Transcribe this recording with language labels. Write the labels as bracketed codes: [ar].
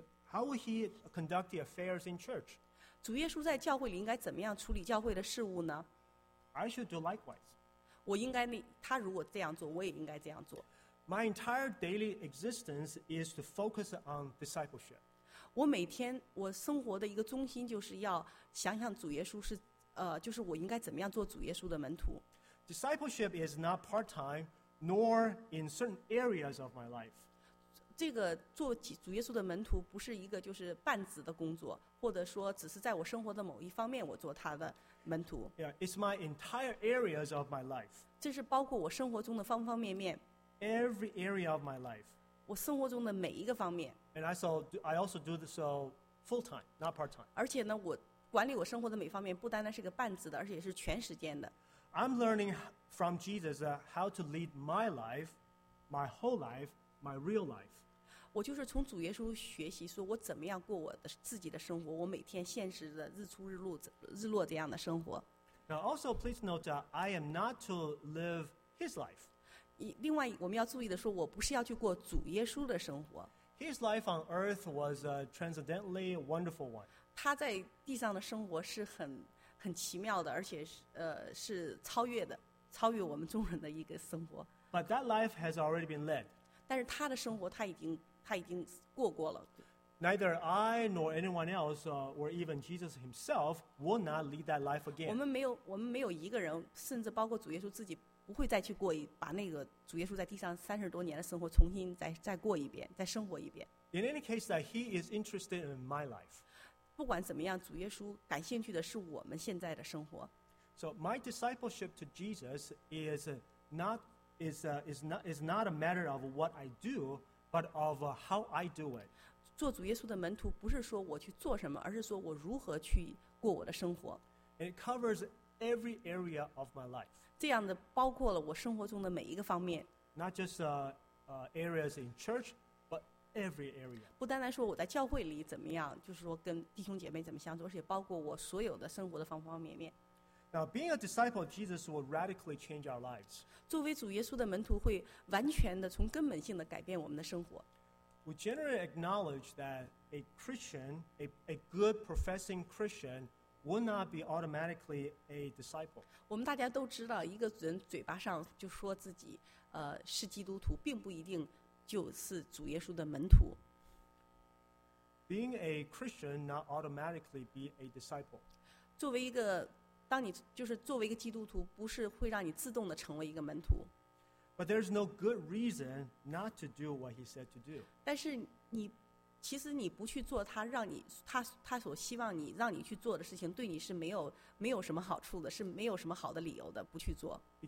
[en] How would he conduct the affairs in church? [zh] 主耶稣在教会里应该怎么样处理教会的事务呢？ [en] I should do likewise. [zh] 我应该那他如果这样做，我也应该这样做。 [en] My entire daily existence is to focus on discipleship. [zh] 我每天我生活的一个中心就是要想想主耶稣是就是我应该怎么样做主耶稣的门徒。 [en] Discipleship is not part-time, nor in certain areas of my life. [zh] 这个做主耶稣的门徒不是一个就是半职的工作，或者说只是在我生活的某一方面我做他的。门徒 [en] yeah, it's my entire areas of my life. [zh] 这是包括我生活中的方方面面。 [en] Every area of my life. [zh] 我生活中的每一个方面。 [en] And I also do this so full time, not part time. [zh] 而且呢，我管理我生活的每方面不单单是个半职的，而且是全时间的。 [en] I'm learning from Jesus how to lead my life, my whole life, my real life. [zh] 我就是从主耶稣学习说我怎么样过我的自己的生活，我每天现实的日出日落日落这样的生活。 [en] Now also please note that I am not to live his life. [zh] 另外我们要注意的说我不是要去过主耶稣的生活。 [en] His life on earth was a transcendently wonderful one. [zh] 他在地上的生活是很奇妙的，而且是超越的，超越我们众人的一个生活。 [en] But that life has already been led. [zh] 但是他的生活他已经过过了。 [en] Neither I nor anyone else, or even Jesus himself, will not lead that life again. [zh] 我们没有一个人，甚至包括主耶稣自己，不会再去过一把那个主耶稣在地上三十多年的生活重新再过一遍，再生活一遍。 [en] In any case, that he is interested in my life. [zh] 不管怎么样，主耶稣感兴趣的是我们现在的生活。 [en] So my discipleship to Jesus is not a matter of what I do, but of how I do it. [zh] 做主耶稣的门徒不是说我去做什么，而是说我如何去过我的生活。 [en] It covers every area of my life. [zh] 这样的包括了我生活中的每一个方面。 [en] Not just areas in church, but every area. [zh] 不单单说我在教会里怎么样，就是说跟弟兄姐妹怎么相处，而且包括我所有的生活的方方面面。 [en] Now, being a disciple of Jesus will radically change our lives. [zh] 作为主耶稣的门徒会完全的从根本性的改变我们的生活。 [en] We generally acknowledge that a Christian, a good professing Christian, will not be automatically a disciple. [zh] 我们大家都知道，一个人嘴巴上就说自己是基督徒，并不一定就是主耶稣的门徒。 [en] Being a Christian, not automatically be a disciple. [zh] 作为一个当你就是作为一个基督徒，不是会让你自动的成为一个门徒。 [en] But there's no good reason not to do what he said to do. [zh] 但是你其实你不去做他让你他所希望你让你去做的事情，对你是没有什么好处的，是没有什么好的理由的不去做。